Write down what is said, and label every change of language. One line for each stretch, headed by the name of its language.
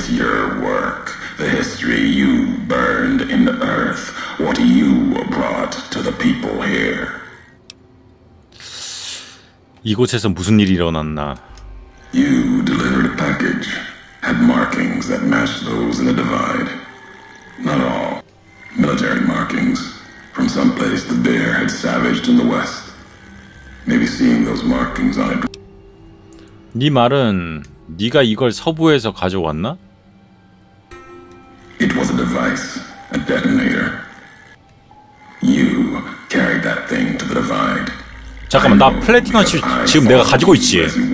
English: Your work, the history you burned in the earth, what you brought to the people here.
Korean: 이곳에서 무슨 일이 일어났나?
English: You delivered a package, had markings that matched those in the divide. Not all, military markings from some place the bear had savaged in the west. Maybe seeing those markings on it.
Korean: 네 말은 네가 이걸 서부에서 가져왔나?
English: It was a device, a detonator. You carried that thing to the divide.
Korean: 잠깐만, 나 플래티넘 지금 내가 가지고 있지.